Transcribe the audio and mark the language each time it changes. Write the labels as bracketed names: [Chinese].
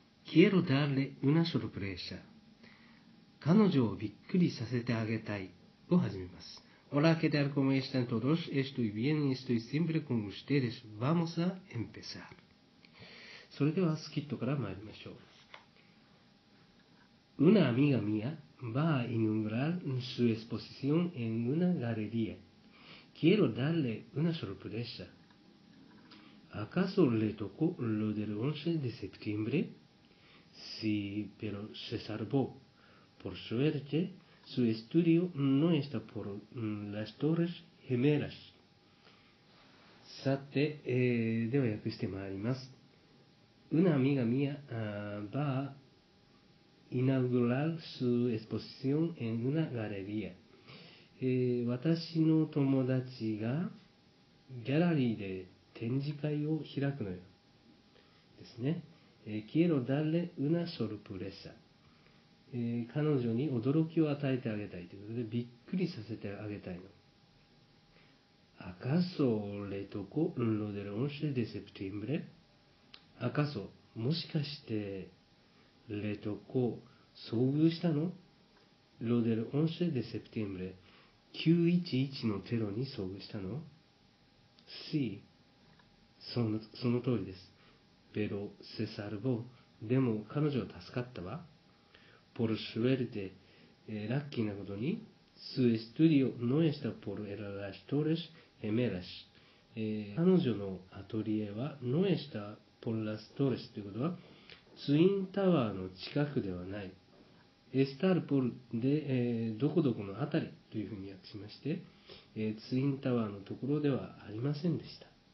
[Spanish] Quiero darle una sorpresa. [Japanese] 彼女をびっくりさせてあげたいを始めます。 [Spanish] Hola, ¿qué tal? ¿Cómo están todos? Estoy bien y estoy siempre con ustedes. Vamos a empezar. [Japanese] それではスキットから参りましょう。 [Spanish] Una amiga mía va a inaugurar su exposición en una galería. Quiero darle una sorpresa. ¿Acaso le tocó lo del 11 de septiembre? Sí, pero se salvó. Por suerte, su estudio no está por las Torres Gemelas. [Japanese] さて、では訳してまいります。 [Spanish] Una amiga mía va a inaugurar su exposición en una galería. [Japanese] 私の友達がギャラリーで展示会を開くのよ。ですね。 [Spanish] Quiero darle una sorpresa. [Japanese] 彼女に驚きを与えてあげたいということで、びっくりさせてあげたいの。 [Spanish] ¿Acaso le tocó lo del 11 de septiembre? ¿Acaso? [Japanese] もしかして、 [Spanish] le tocó [Japanese] 遭遇したの ? [Spanish] Lo del 11 de septiembre [Japanese] 911のテロに遭遇したの ? [Spanish] Sí. [Japanese] その通りです。 [Spanish] Pero se salvó. [Japanese] でも彼女は助かったわ。 [Spanish] Por suerte, [Japanese] ラッキーなことに、 [Spanish] su estudio no está por las Torres Gemelas. [Japanese] 彼女のアトリエは、 [Spanish] no está por las Torres [Japanese] ということは、ツインタワーの近くではない。 Estar por で、どこどこのあたりというふうに訳しまして、ツインタワーのところではありませんでした。